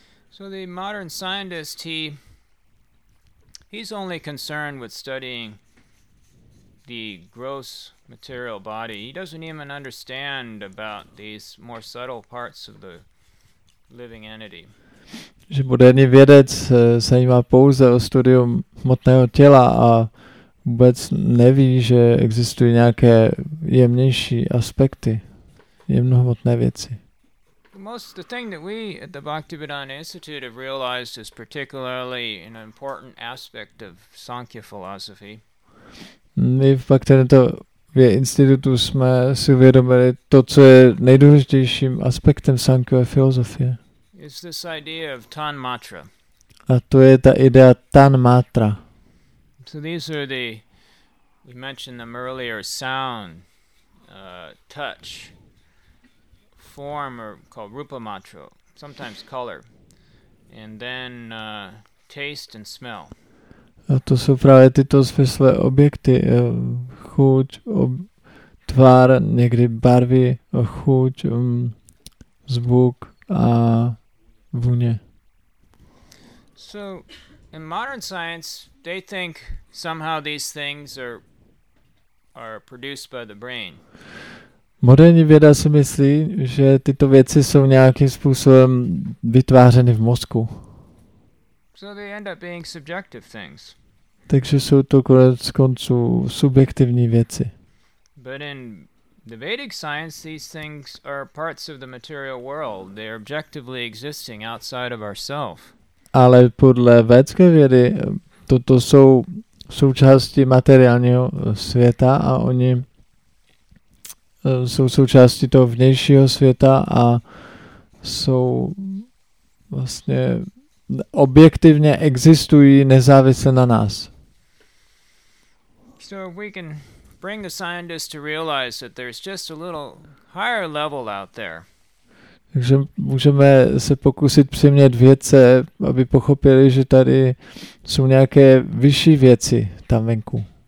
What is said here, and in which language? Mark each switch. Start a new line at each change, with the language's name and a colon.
English: So the modern scientist, he's only concerned with studying the gross material body. He doesn't even understand about these more subtle parts of the living entity.
Czech: Že moderní vědec zajímá pouze o studium hmotného těla a vůbec neví, že existují nějaké jemnější aspekty, jemnohmotné věci.
English: Most the thing that we at the Bhaktivedanta Institute have realized is particularly an important aspect of Sankhya philosophy.
Czech: My v Bhaktivedanta institutu jsme si uvědomili to, co je nejdůležitějším aspektem Sankhya filozofie.
English: It's this idea of tanmatra.
Czech: A to je ta idea tanmatra.
English: So these are the, we mentioned them earlier, sound, touch, form or called rupa matra, sometimes color, and then taste and smell.
Czech: A to jsou právě tyto smyslové objekty, chuť, tvar, někdy barvy, chuť, zvuk a vůně.
English: So in modern science they think somehow these things are produced by the brain.
Czech: Moderní věda si myslí, že tyto věci jsou nějakým způsobem vytvářeny v mozku.
English: So they end up being subjective things.
Czech: Takže jsou to konec konců subjektivní věci.
English: But in the Vedic science, these things are parts of the material world. They are objectively existing outside of ourselves.
Czech: Ale podle vědecké vědy toto jsou součásti materiálního světa a oni jsou součástí toho vnějšího světa a jsou vlastně objektivně existují nezávisle na nás.
English: So we can bring the scientists to realize that there's just a little higher level out there.
Czech: Takže můžeme se pokusit přimět vědce, aby pochopili, že tady jsou nějaké vyšší věci tam venku.